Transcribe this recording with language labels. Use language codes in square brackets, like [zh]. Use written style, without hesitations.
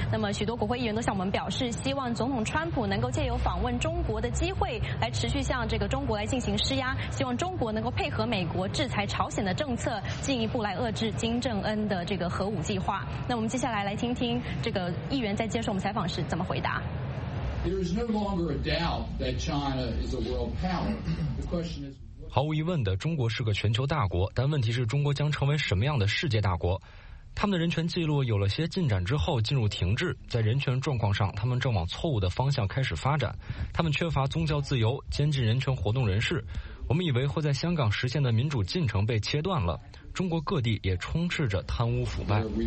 [zh] 那么许多国会议员都向我们表示，希望总统川普能够借由访问中国的机会来持续向这个中国来进行施压，希望中国能够配合美国制裁朝鲜的政策，进一步来遏制金正恩的这个核武计划。那我们接下来来听听这个议员在接受我们采访时怎么回答。 [en] There is no longer a doubt that China is a world power. The question is... [zh] 毫无疑问的，中国是个全球大国，但问题是中国将成为什么样的世界大国？他们的人权记录有了些进展之后进入停滞，在人权状况上，他们正往错误的方向开始发展。他们缺乏宗教自由，监禁人权活动人士。我们以为会在香港实现的民主进程被切断了，中国各地也充斥着贪污腐败。